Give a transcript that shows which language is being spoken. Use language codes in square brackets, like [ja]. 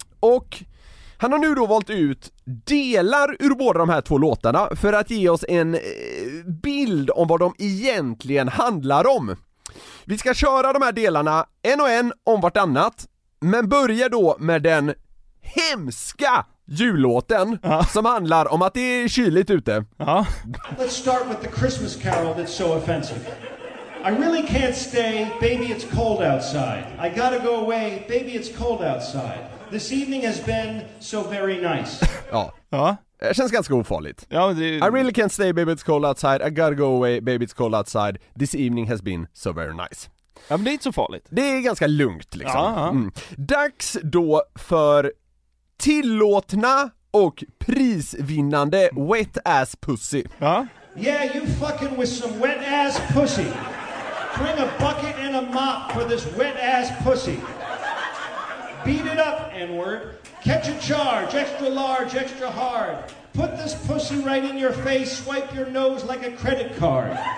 [sv] Och han har nu då valt ut delar ur båda de här två låtarna för att ge oss en bild om vad de egentligen handlar om. Vi ska köra de här delarna en och en om vartannat, men börja då med den hemska jullåten som handlar om att det är kyligt ute. [en] Let's start with the Christmas carol that's so offensive. I really can't stay, baby it's cold outside. I gotta go away, baby it's cold outside. This evening has been so very nice. [sv] Ja. Ja. Det känns ganska ofarligt. Ja, det... [en] I really can't stay, baby it's cold outside. I gotta go away, baby it's cold outside. This evening has been so very nice. [sv] Ja, men det är inte så farligt. Det är ganska lugnt liksom. Ja, ja. Mm. Dags då för tillåtna och prisvinnande wet ass pussy. Ja. [en] Yeah, you fucking with some wet ass pussy. Bring a bucket and a mop for this wet ass pussy. Beat it up, N-word. Catch a charge, extra large, extra hard. Put this pussy right in your face. Swipe your nose like a credit card.